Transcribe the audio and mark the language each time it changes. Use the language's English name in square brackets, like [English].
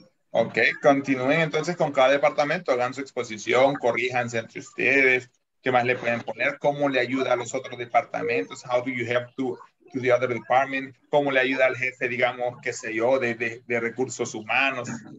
[Spanish] Ok, continúen entonces con cada departamento, hagan su exposición, corríjanse entre ustedes, ¿qué más le pueden poner? ¿Cómo le ayuda a los otros departamentos? [English] How do you help to the other department? [Spanish] ¿Cómo le ayuda al jefe, digamos, qué sé yo, de recursos humanos?